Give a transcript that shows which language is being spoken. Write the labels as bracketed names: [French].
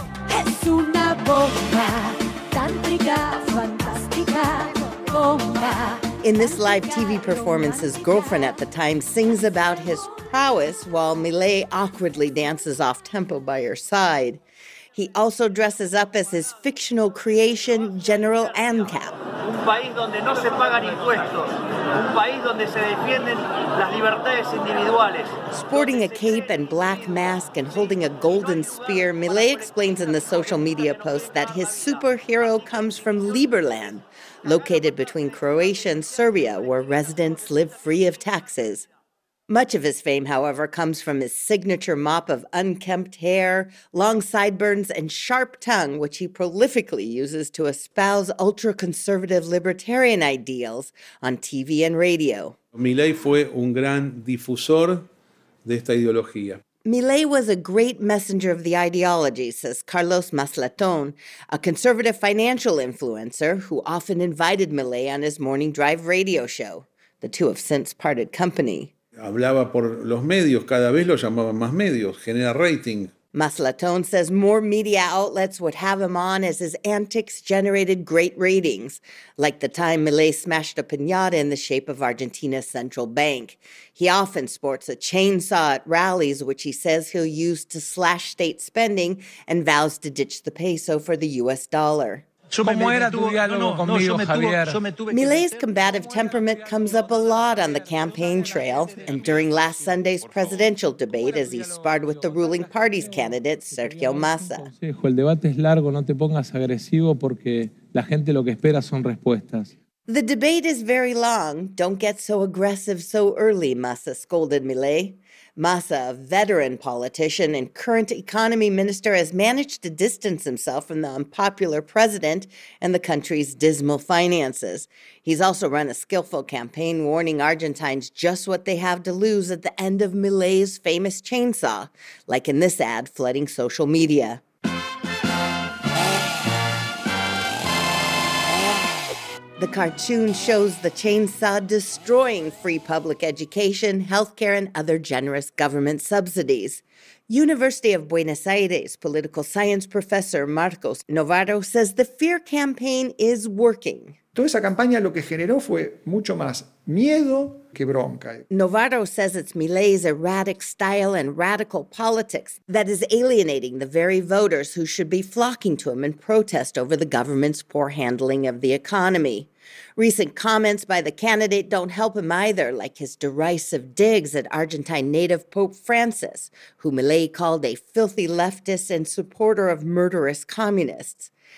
[Spanish] Es una bomba, tantrica, fantástica, bomba. [English] In this live TV performance, his girlfriend at the time sings about his prowess while Milei awkwardly dances off tempo by her side. He also dresses up as his fictional creation, General ANCAP. [Spanish] Un país donde no se pagan impuestos. Un país donde se defienden las libertades individuales. [English] Sporting a cape and black mask and holding a golden spear, Milei explains in the social media post that his superhero comes from Liberland, located between Croatia and Serbia, where residents live free of taxes. Much of his fame, however, comes from his signature mop of unkempt hair, long sideburns, and sharp tongue, which he prolifically uses to espouse ultra-conservative libertarian ideals on TV and radio. [Spanish] Milei fue un gran difusor de esta ideología. [English] Milei was a great messenger of the ideology, says Carlos Maslatón, a conservative financial influencer who often invited Milei on his morning drive radio show. The two have since parted company. [Spanish] Hablaba por los medios, cada vez lo llamaban más medios, genera rating. [English] Maslatón says more media outlets would have him on as his antics generated great ratings, like the time Milei smashed a piñata in the shape of Argentina's central bank. He often sports a chainsaw at rallies, which he says he'll use to slash state spending, and vows to ditch the peso for the U.S. dollar. Milei's combative temperament comes up a lot on the campaign trail and during last Sunday's presidential debate as he sparred with the ruling party's candidate, Sergio Massa. [Spanish] El debate es largo, no te pongas agresivo porque la gente lo que espera son respuestas. [English] The debate is very long. Don't get so aggressive so early, Massa scolded Milei. Massa, a veteran politician and current economy minister, has managed to distance himself from the unpopular president and the country's dismal finances. He's also run a skillful campaign warning Argentines just what they have to lose at the end of Milei's famous chainsaw, like in this ad flooding social media. The cartoon shows the chainsaw destroying free public education, healthcare, and other generous government subsidies. University of Buenos Aires political science professor Marcos Novaro says the fear campaign is working. [Spanish] Toda esa campaña lo que generó fue mucho más miedo que bronca. [English] Novaro says it's Milei's erratic style and radical politics that is alienating the very voters who should be flocking to him in protest over the government's poor handling of the economy. Recent comments by the candidate don't help him either, like his derisive digs at Argentine native Pope Francis, who Milei called a filthy leftist and supporter of murderous communists.